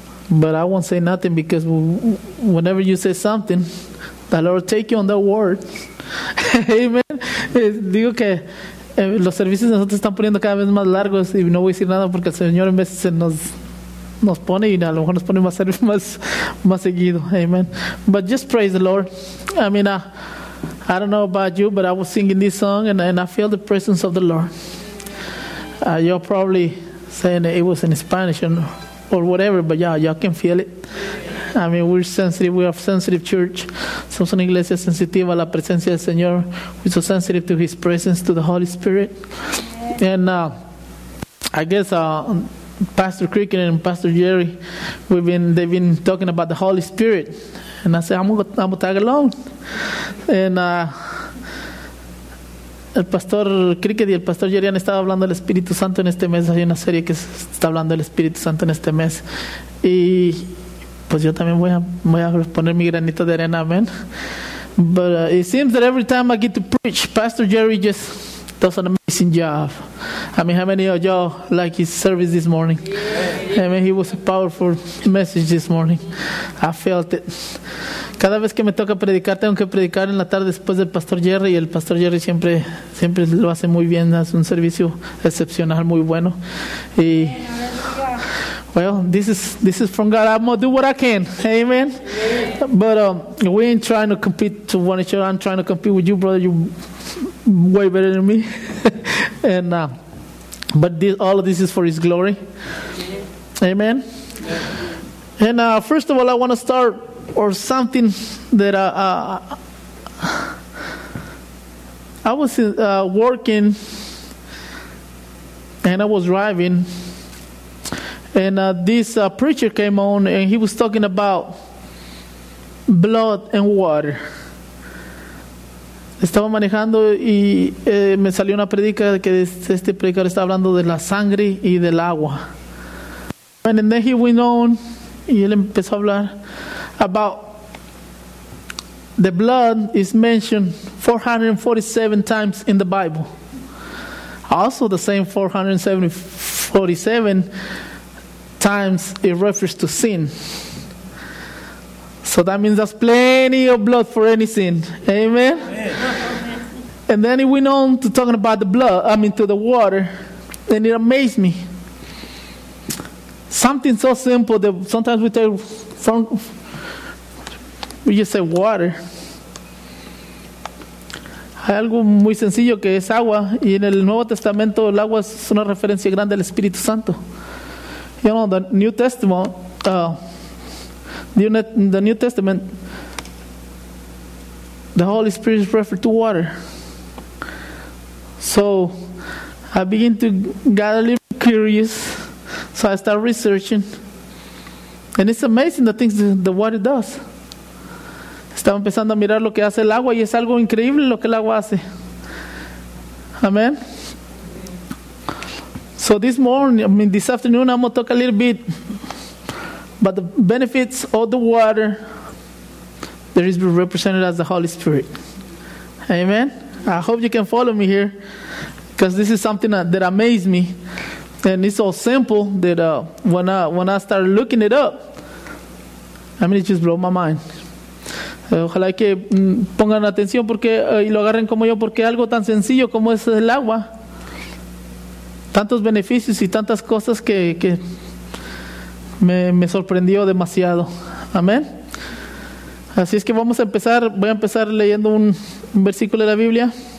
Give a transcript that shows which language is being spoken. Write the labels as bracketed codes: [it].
[en] But I won't say nothing, because whenever you say something, the Lord take you on that word. Amen. [es] Digo que los servicios nosotros están poniendo cada vez más largos, y no voy a decir nada porque el Señor en veces nos pone, y a lo mejor nos pone más seguido. [en] Amen. But just praise the Lord. I mean, I don't know about you, but I was singing this song and I feel the presence of the Lord. You're probably saying it was in Spanish or whatever, but yeah, y'all can feel it. I mean, we're sensitive. We have sensitive church. [es] Somos una iglesia sensitiva a la presencia del Señor. [en] We're so sensitive to His presence, to the Holy Spirit. And I guess Pastor Cricket and Pastor Jerry, they've been talking about the Holy Spirit. And I said, I'm going to tag along. [es] And el Pastor Cricket y el Pastor Jerry han estado hablando del Espíritu Santo en este mes. Hay una serie que está hablando del Espíritu Santo en este mes. Y pues yo también voy a poner mi granito de arena, amen. [en] But it seems that every time I get to preach, Pastor Jerry just does an amazing job. I mean, how many of y'all like his service this morning? I mean, he was a powerful message this morning. I felt it. [es] Cada vez que me toca predicar, tengo que predicar en la tarde después del Pastor Jerry. Y el Pastor Jerry siempre lo hace muy bien. Hace un servicio excepcional, muy bueno. [en] Y well, this is from God. I'm gonna do what I can. Amen. But we ain't trying to compete to one each other. I'm trying to compete with you, brother. You're way better than me. And but this, all of this is for His glory. Amen. And first of all, I want to start or something that I was working and I was driving. And this preacher came on, and he was talking about blood and water. [es] Estaba manejando y me salió una predica que este predicador estaba hablando de la sangre y del agua. [en] And then he went on, [es] y él empezó a hablar [en] about the blood is mentioned 447 times in the Bible. Also the same 447 times it refers to sin. So that means there's plenty of blood for any sin. Amen. And then he went on to talking about to the water. And it amazed me. Something so simple that sometimes we take from, we just say water. [es] Hay algo muy sencillo que es agua. Y en el Nuevo Testamento el agua es una referencia grande al Espíritu Santo. [en] You know, the New Testament, the Holy Spirit is referred to water. So I begin to get a little curious, so I start researching, and it's amazing the things the water does. [es] Estaba empezando a mirar lo que hace el agua, y es algo increíble lo que el agua hace. Amen. [en] So this afternoon, I'm going to talk a little bit about the benefits of the water that is represented as the Holy Spirit. Amen? I hope you can follow me here, because this is something that amazed me. And it's so simple that when I started looking it up, I mean, it just blew my mind. [es] Ojalá que pongan atención porque y lo agarren como yo, porque algo tan sencillo como es el agua, tantos beneficios y tantas cosas que me sorprendió demasiado. Amén. Así es que vamos a empezar. Voy a empezar leyendo un versículo de la Biblia.